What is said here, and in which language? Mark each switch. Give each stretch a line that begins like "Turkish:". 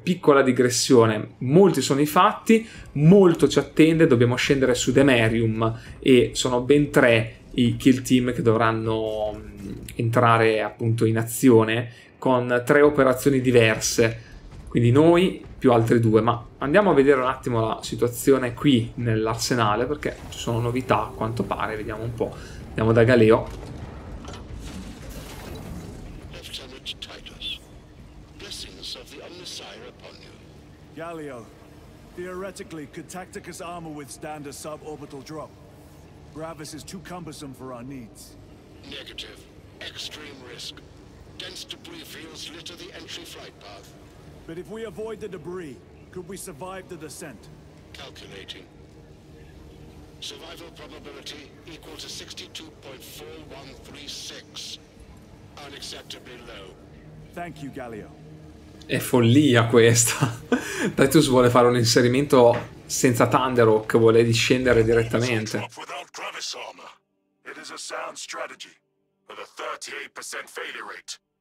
Italian: Piccola digressione, molti sono i fatti, molto ci attende, dobbiamo scendere su Demerium e sono ben tre i kill team che dovranno entrare appunto in azione con tre operazioni diverse, quindi noi più altri due. Ma andiamo a vedere un attimo la situazione qui nell'arsenale, perché ci sono novità a quanto pare, vediamo un po'. Andiamo da Galeo.
English: Lieutenant Titus, blessings of the Omnissiah upon you. Galeo, theoretically could Tacticus armor withstand a suborbital drop? Gravis is too cumbersome for our needs. Negative. Extreme risk. Dense debris fields litter the entry flight path. But if we avoid the debris, could we survive the descent? Calculating. Survival probability equal to 62.4136. Unacceptably low. Thank you, Galio.
Italian: È follia questa. Titus vuole fare un inserimento senza Thunderhawk, vuole discendere direttamente.
English: Without Gravisor. is a sound strategy, but a 38% failure rate.